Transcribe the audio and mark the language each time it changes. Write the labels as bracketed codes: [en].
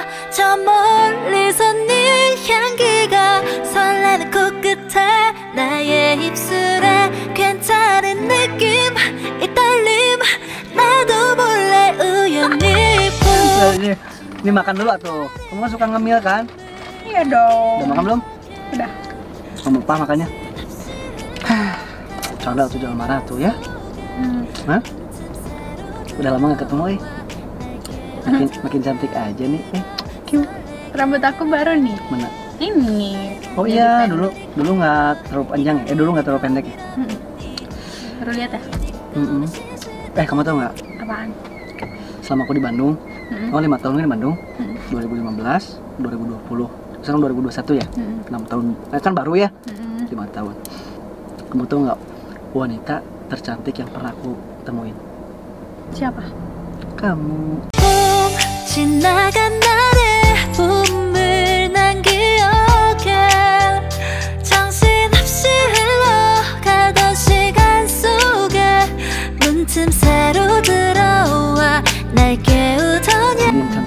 [ko] 저 멀리서 네 향기가 설레는 코끝에 나의 입술에 괜찮은 느낌. 이 떨림 나도 몰래 우연히 봄. [id] 이제 makan dulu tuh. Kamu suka ngemil kan? Iya dong. Udah makan belum? Udah. Kamu apa makannya? Canda tuh jangan marah tuh ya. Hah? Udah lama gak ketemu eh. Makin cantik aja nih eh. Cute. Rambut aku baru nih. Mana? Ini. Oh iya, dulu gak terlalu panjang ya? Dulu gak terlalu pendek ya? Baru lihat ya? Kamu tau gak? Apaan? Selama aku di Bandung, kamu 5 tahun kan di Bandung? 2015, 2020, sekarang 2021 ya? 6 tahun, kan baru ya? 5 tahun. Kamu tau gak wanita tercantik yang pernah aku temuin? Siapa? Kamu. [ko] Pum, 지나간 날의 봄을 난 기억해. 정신없이 흘러가던 시간 속에 문틈 새로 들어와 날 깨우던 야.